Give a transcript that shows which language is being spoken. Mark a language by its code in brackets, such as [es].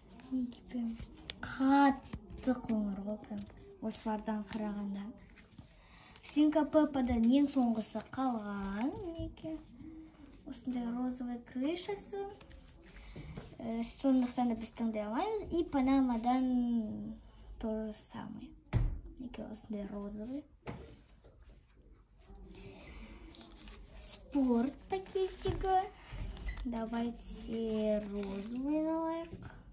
[kk] Мінекі бірім қатты қоңыр ғой, прям осылардан қарағанда. Синка Пеппадан ең соңғысы қалған. Мінекі осындай розовый крышасы, сондықтан да біз таңдай алмаймыз. [ru] И Панамадан тоже самый. [kk] Мінекі осындай розовый спорт пакетигі. [ru] Давайте розовый [kk] алайық.